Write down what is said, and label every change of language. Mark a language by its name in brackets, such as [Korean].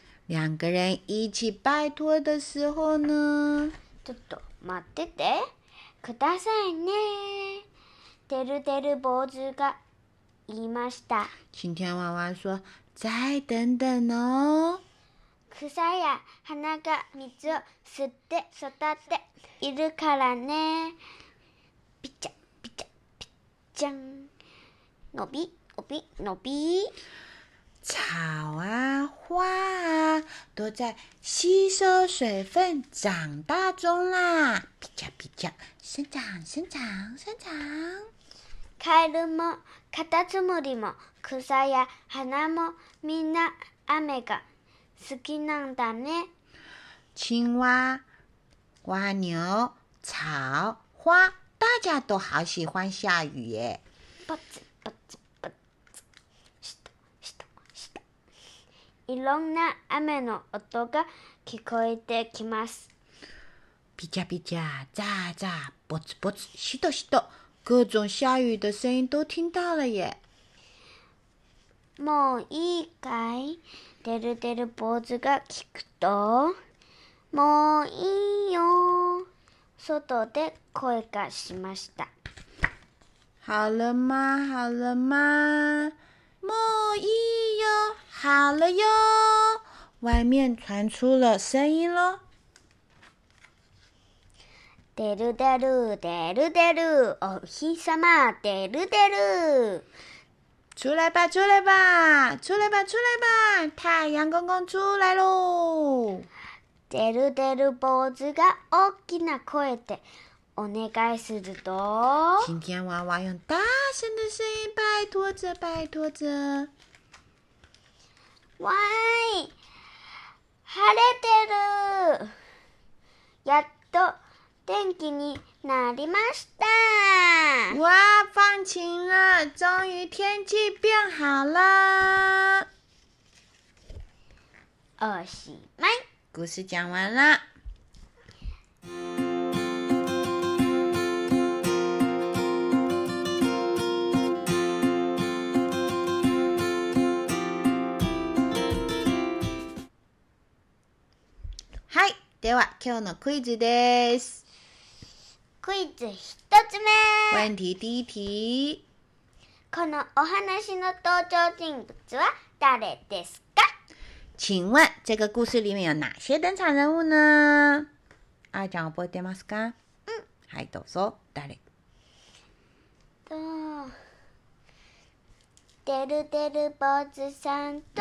[Chinese] 两个人一起拜托的时候呢？ [Japanese] ちょっと待っててくださいね。デルデル坊主が言いました。 [Chinese] 晴天娃娃说：“再等等哦。” [Japanese] 草や花が水を吸って育っているからね。ピチャ。伸び伸び伸び。 [Chinese] 草啊、花啊，都在吸收水分长大中啦！啪啪啪，生长、生长、生长。 [Japanese] カエルもカタツムリも草や花もみんな雨が好きなんだね。 [Chinese] 青蛙、蜗牛、草、花，大家都好喜欢下雨耶。 [Japanese] ポツポツポツ、シトシトシト。いろんな雨の音が聞こえてきます。ピチャピチャ、ザーザー、ポツポツ、シトシト。 [Chinese] 各种下雨的声音都听到了耶。 [Japanese] もういいかい？デルデル坊主が聞くと、もういいよ。外で声がしました。 [Chinese] 好了吗？好了吗？ [Japanese] もういいよ。 [Chinese] 好了哟。外面传出了声音咯。 [Japanese] デルデルデルデル、お日様デルデル。 [Chinese] 出来吧，出来吧，出来吧，出来吧！太阳公公出来喽！ [Japanese] デルデル坊主が大きな声でお願いすると、 [Chinese] 今天娃娃用大声的声音拜托着，拜托着。 [Japanese] 喂，晴れてる。やっと。天気になりました。 [Chinese] 哇，放晴了，终于天气变好了。 [Japanese] おしまい。 [Chinese] 故事讲完了。 [Japanese] はい、では今日のクイズです。クイズ一つ目。問題第一題。このお話の登場人物は誰ですか？ [Chinese] 请问这个故事里面有哪些登场人物呢？ [Japanese] あーちゃん覚えてますか？うん。はい、どうぞ。誰？と、てるてる坊主さんと、